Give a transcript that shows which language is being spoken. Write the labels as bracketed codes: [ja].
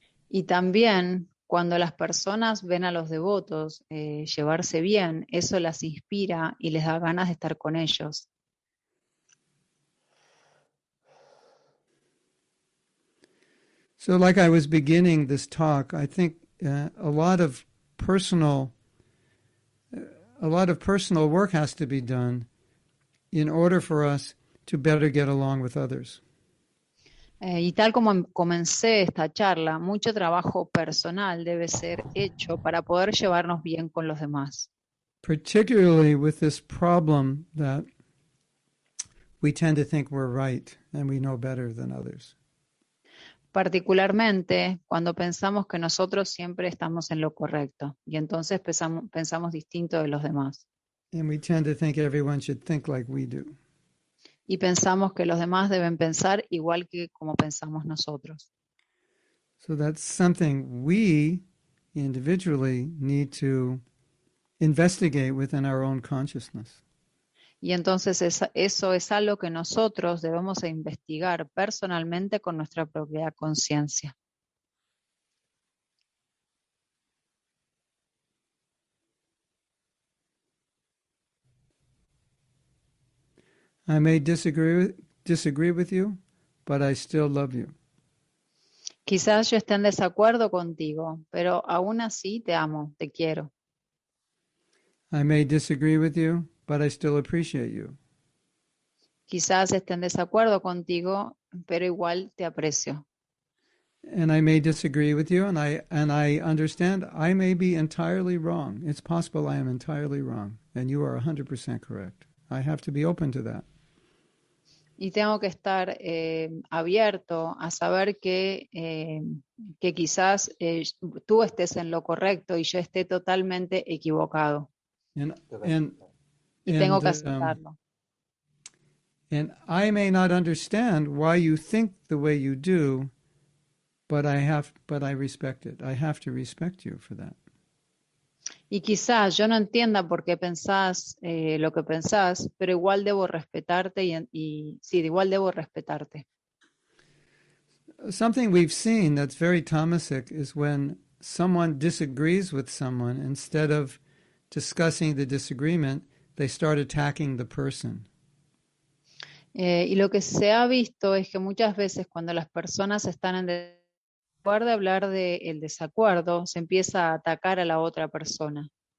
[es] Y también cuando las personas ven a los devotos llevarse bien, eso las inspira y les da ganas de estar con ellos. [en] So, like I was beginning this talk, I think a lot of personal work has to be done in order for us to better get along with others. [es] Y tal como comencé esta charla, mucho trabajo personal debe ser hecho para poder llevarnos bien con los demás. [en] Particularly with this problem that we tend to think we're right and we know better than others. [es] Particularmente cuando pensamos que nosotros siempre estamos en lo correcto y entonces pensamos distinto de los demás. [en] And we tend to think everyone should think like we do. [es] Y pensamos que los demás deben pensar igual que como pensamos nosotros. [en] So that's something we individually need to investigate within our own consciousness. [es] Y entonces eso es algo que nosotros debemos investigar personalmente con nuestra propia conciencia. [en] I may disagree with you, but I still love you. [es] Quizás yo esté en desacuerdo contigo, pero aún así te amo, te quiero. [en] I may disagree with you, but I still appreciate you. [es] Quizás esté en desacuerdo contigo, pero igual te aprecio. [en] And I may disagree with you, and I understand I may be entirely wrong. It's possible I am entirely wrong, and you are 100% correct. I have to be open to that. [es] Y tengo que estar abierto a saber que quizás tú estés en lo correcto y yo esté totalmente equivocado. [en] And [es] Y tengo que aceptarlo. [en] I may not understand why you think the way you do, but I respect it. I have to respect you for that. [es] Y quizás yo no entienda por qué pensás lo que pensás, pero igual debo respetarte y sí, igual debo respetarte. [en] Something we've seen that's very tamasic is when someone disagrees with someone instead of discussing the disagreement, they start attacking the person. [es] Y lo que se ha visto es que muchas veces cuando las personas están en de lugar de hablar del desacuerdo, se empieza a atacar a la otra persona.